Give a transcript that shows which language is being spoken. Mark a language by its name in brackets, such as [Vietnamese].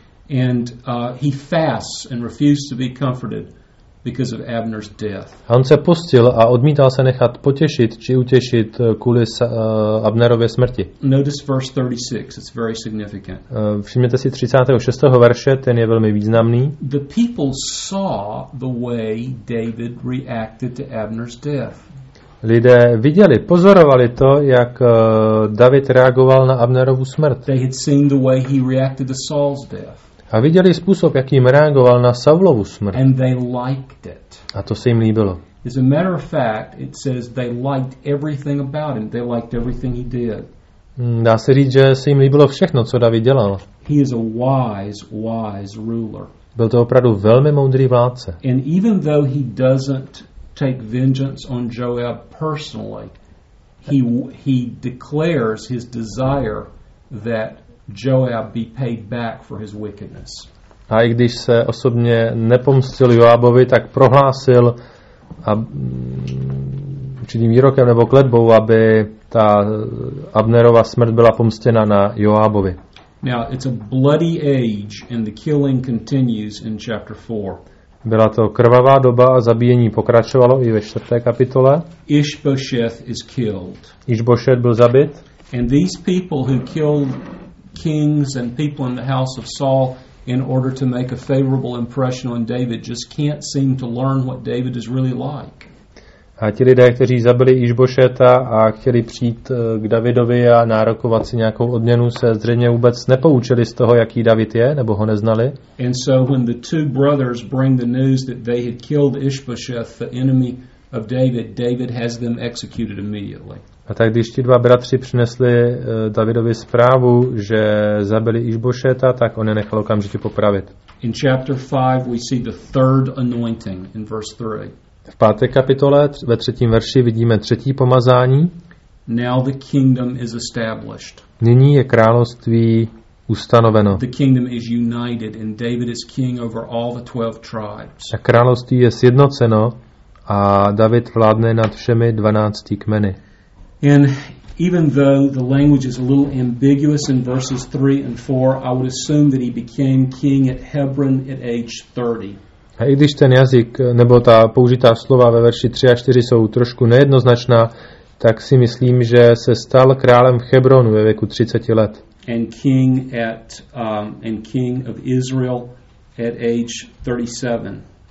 [English] And he fasts and refused to be comforted because of Abner's death. [Czech] A on se postil a odmítal se nechat potěšit či utěšit kvůli Abnerově smrti. [English] Notice verse 36, it's very significant. [Czech] Všimněte si 36. verše, ten je velmi významný. [English] The people saw the way David reacted to Abner's death. [Czech] Lidé viděli, pozorovali to, jak David reagoval na Abnerovu smrt. [English] They had seen the way he reacted to Saul's death. [Czech] A viděli způsob, jakým reagoval na Saulovu smrt. [English] And they liked it. [Czech] A to se jim líbilo. [English] As a matter of fact, it says they liked everything about him. They liked everything he did. [Czech] Dá se říct, že se jim líbilo všechno, co David dělal. [English] He is a wise, wise ruler. [Czech] Byl to opravdu velmi moudrý vládce. [English] And even though he doesn't take vengeance on Joab personally, he declares his desire that Joab be paid back for his wickedness. [Czech] A i když se osobně nepomstil Joabovi, tak prohlásil určitým výrokem nebo kletbou, aby ta Abnerova smrt byla pomstěna na Joabovi. [English] Now it's a bloody age and the killing continues in chapter 4. [Czech] Byla to krvavá doba a zabíjení pokračovalo i ve 4. kapitole. [English] Ishbosheth is killed. [Czech] Ishbosheth byl zabit. [English] And these people who killed kings and people in the house of Saul in order to make a favorable impression on David just can't seem to learn what David is really like. [Czech] A ti lidé, kteří zabili Išbošeta a chtěli přijít k Davidovi a nárokovat si nějakou odměnu, se zřejmě vůbec nepoučili z toho, jaký David je, nebo ho neznali. [English] And so when the two brothers bring the news that they had killed Ishbosheth, the enemy of David, David has them executed immediately. [Czech] A tak když ti dva bratři přinesli Davidovi zprávu, že zabili Išbošeta, tak on je nechal okamžitě popravit. [English] In chapter 5 we see the third anointing in verse 3. [Czech] V 5. kapitole ve 3. verši vidíme třetí pomazání. [English] Now the kingdom is established. [Czech] Nyní je království ustanoveno. [English] The kingdom is united and David is king over all the 12 tribes. [Czech] A království je sjednoceno a David vládne nad všemi 12 kmeny. [English] And even though the language is a little ambiguous in verses 3 and 4, I would assume that he became king at Hebron at age 30. [Czech] A i když ten jazyk nebo ta použitá slova ve verši 3 a 4 jsou trošku nejednoznačná, tak si myslím, že se stal králem v Hebronu ve věku 30 let. [English] And king at and king of Israel at age 37.